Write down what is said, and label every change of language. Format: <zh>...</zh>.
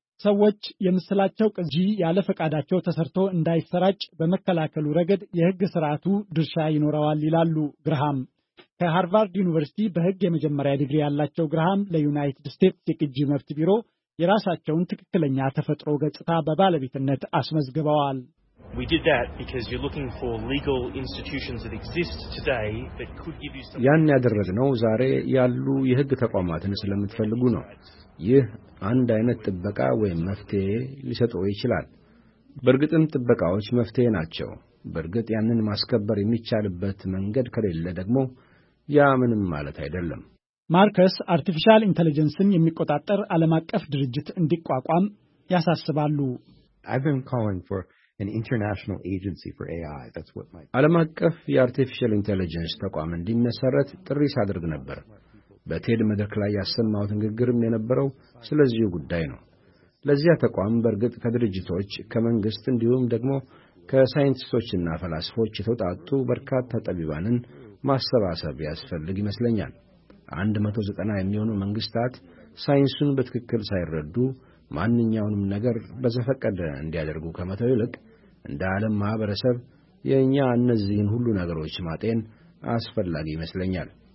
<am>ሰዎች የምስላቸው ቅጂ ያለ ፈቃዳቸው ተሰርቶ እንዳይሰራጭ በመከላከሉ ረገድ የህግ ስርዓቱ ድርሻ ይኖረዋል ይላሉ ግራሃም። ከሃርቫርድ ዩኒቨርሲቲ በህግ የመጀመሪያ ዲግሪ ያላቸው ግራሃም ለዩናይትድ ስቴትስ የቅጂ መብት ቢሮ የራሳቸውን ትክክለኛ ተፈጥሮ ገጽታ በባለቤትነት አስመዝግበዋል።</am> <en>We did that because you're looking for legal institutions that exist today that could give you some</en> <am>ያን ያደረግነው ዛሬ ያሉ የህግ ተቋማትን ስለምትፈልጉ ነው። ይህ አንድ አይነት ጥበቃ ወይም መፍቴ ሊሰጥ ይችላል። በርግጥም ጥበቃዎች መፍቴ ናቸው። በርግጥ ያንን ማስከበር የሚቻልበት መንገድ ከሌለ ደግሞ ያ ምንም ማለት አይደለም። ማርከስ አርቲፊሻል ኢንተለጀንስን የሚቆጣጠር ዓለም አቀፍ ድርጅት እንዲቋቋም ያሳስባሉ።</am> <en>I've been calling for an international agency for AI. That's what my</en> <am>ዓለም አቀፍ የአርቲፊሻል ኢንተለጀንስ ተቋም እንዲመሰረት ጥሪ ሳደርግ ነበር። በቴድ መድረክ ላይ ያሰማሁት ንግግርም የነበረው ስለዚህ ጉዳይ ነው። ለዚያ ተቋም በርግጥ ከድርጅቶች ከመንግስት እንዲሁም ደግሞ ከሳይንቲስቶችና ፈላስፎች የተውጣጡ በርካታ ጠቢባንን ማሰባሰብ ያስፈልግ ይመስለኛል። 190 የሚሆኑ መንግስታት ሳይንሱን በትክክል ሳይረዱ ማንኛውንም ነገር በዘፈቀደ እንዲያደርጉ ከመተው ይልቅ እንደ ዓለም ማህበረሰብ የኛ እነዚህን ሁሉ ነገሮች ማጤን አስፈላጊ ይመስለኛል።</am>